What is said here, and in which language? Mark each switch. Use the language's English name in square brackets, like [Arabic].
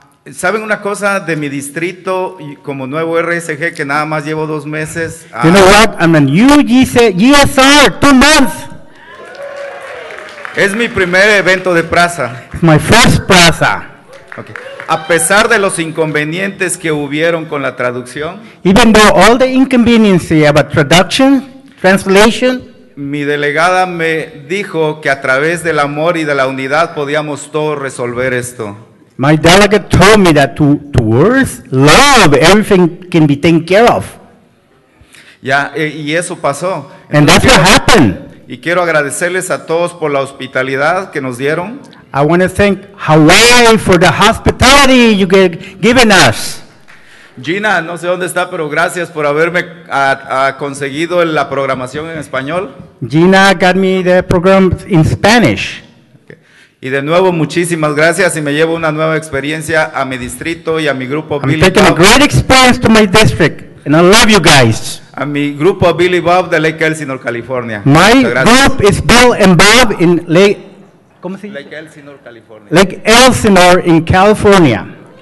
[Spanish] ¿Saben una cosa de mi distrito como nuevo RSG que nada más llevo 2 meses? [English] You know what? I'm a new GSR, 2 months. [Spanish] Es mi primer evento de plaza. [English] It's my first plaza. Okay. [Spanish] A pesar de los inconvenientes que hubieron con la traducción, [English] even though all the inconveniency about traduction, translation, [Spanish] mi delegada me dijo que a través del amor y de la unidad podíamos todos resolver esto. [English] My delegate told me that to words, love, everything can be taken care of. [Spanish] Ya, y eso pasó. [English] And that's what happened. [Spanish] Y quiero agradecerles a todos por la hospitalidad que nos dieron. [English] I want to thank Hawaii for the hospitality you given us. [Spanish] Gina, no sé dónde está, pero gracias por haberme conseguido la programación en español. [English] Gina got me the program in Spanish. [Spanish] Okay. Y de nuevo, muchísimas gracias y me llevo una nueva experiencia a mi distrito y a mi grupo. [English] I'm Billy taking Bob. A great experience to my district, and I love you guys. [Spanish] A mi grupo Billy Bob de Lake Elsinore, California. [English] My group is Bill and Bob in Lake. [Spanish] ¿Cómo se dice? Lake Elsinore, California. [English] Lake Elsinore in California.